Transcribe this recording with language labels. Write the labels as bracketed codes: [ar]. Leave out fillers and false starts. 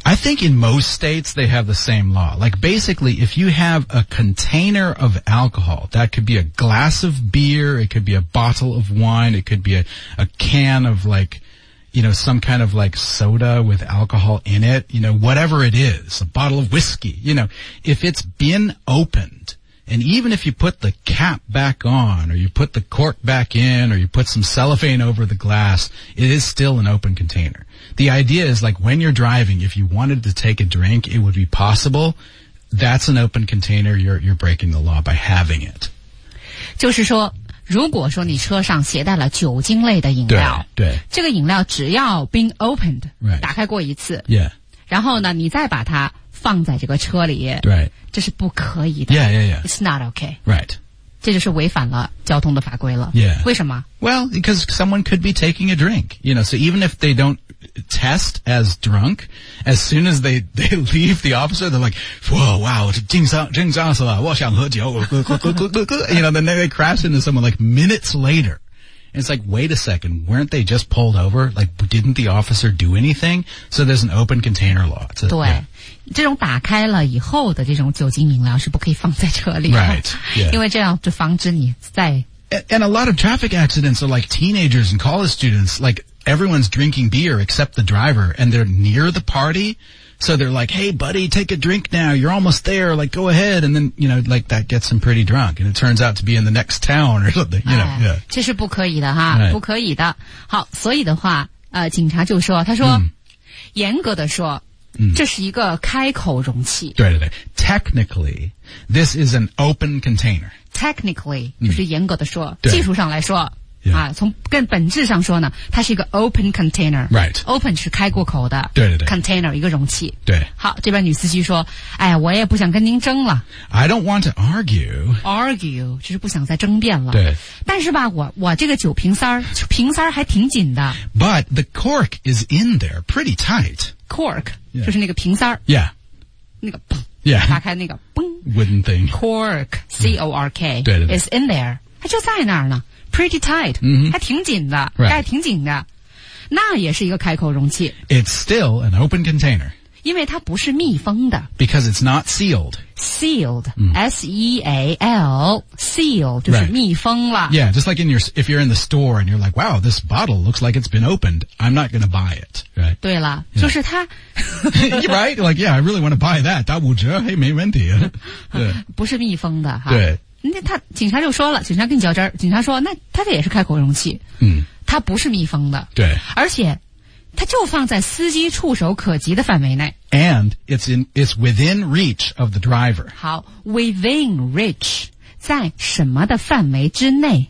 [en] I think in most states they have the same law. Like basically if you have a container of alcohol, that could be a glass of beer, it could be a bottle of wine, it could be a can of like,you know, some kind of like soda with alcohol in it, you know, whatever it is, a bottle of whiskey, you know, if it's been opened and even if you put the cap back on or you put the cork back in or you put some cellophane over the glass, it is still an open container. The idea is like when you're driving, if you wanted to take a drink, it would be possible. That's an open container. You're breaking the law by having it. [zh] 就是说如果说你车上携带了酒精类的饮料，对，对这个饮料只要 [en] been opened，、 right. [zh] 打开过一次， [en] yeah. [zh] 然后呢，你再把它放在这个车里， [en] right. [zh] 这是不可以的。 [en] Yeah, yeah, yeah. It's not okay. Right. [zh] 这就是违反了交通的法规了。 [en] Yeah. [zh] 为什么？ [en] Well, because someone could be taking a drink. You know, so even if they don't test as drunk, as soon as they leave the officer, they're like, whoa, wow, [zh] 我想喝酒 [en] you know, then they crash into someone like minutes later. And it's like, wait a second, weren't they just pulled over? Like, didn't the officer do anything? So there's an open container law. [zh] A, 对、 [en] yeah. [zh] 这种打开了以后的这种酒精饮料是不可以放在车里的。 [en] Right.、Yeah. [zh] 因为这样就防止你在。 [en] And a lot of traffic accidents are like teenagers and college students, like,everyone's drinking beer except the driver and they're near the party. So they're like, hey, buddy, take a drink now. You're almost there. Like, go ahead. And then, you know, like that gets them pretty drunk and it turns out to be in the next town or something, you know.、哎、 yeah. [zh] 这是不可以的哈、 [en] right. [zh] 不可以的。好所以的话警察就说他说、严格的说、这是一个开口容器。对对对。 [en] Technically, this is an open container. [zh] Technically,、就是严格的说技术上来说 [en] Yeah. [zh] 啊，从更本质上说呢，它是一个 open container。 [en] Right. [zh] Open 是开过口的。对对对。 Container 一个容器。对。好，这边女司机说：“哎呀，我也不想跟您争了。 [en] ”I don't want to argue. [zh] Argue 就是不想再争辩了。对。但是吧，我这个酒瓶塞儿，瓶塞儿还挺紧的。 [en] But the cork is in there pretty tight. [zh] Cork、 [en] yeah. [zh] 就是那个瓶塞儿。 [en] Yeah. [zh] 那个 [en] 砰。Yeah. [zh] 打开那个嘣。 [en] Wooden thing. Cork, C-O-R-K. [zh] 对对对。 [en] Is in there. [zh] 它就在那儿呢。 [en] Pretty tight,、 mm-hmm. [zh] 还挺紧的、 [en] right. [zh] 盖挺紧的。那也是一个开口容器。 [en] It's still an open container. [zh] 因为它不是密封的。 [en] Because it's not sealed. Sealed,、S-E-A-L, seal, [zh] 就是密封了。 [en] Right. Yeah, just like in your, if you're in the store and you're like, wow, this bottle looks like it's been opened, I'm not going to buy it, right? [zh] 对了、 [en] yeah. [zh] 就是它。 [en] right? Like, yeah, I really want to buy that. [zh] 但我觉得 [en] hey, [zh] 没问题。Yeah. 不是密封的。对。那他警察就说了，警察跟你较真儿。警察说，那他这也是开口容器，他不是密封的，对，而且他就放在司机触手可及的范围内。 [en] And it's within reach of the driver. [zh] 好 ， [en] within reach [zh] 在什么的范围之内？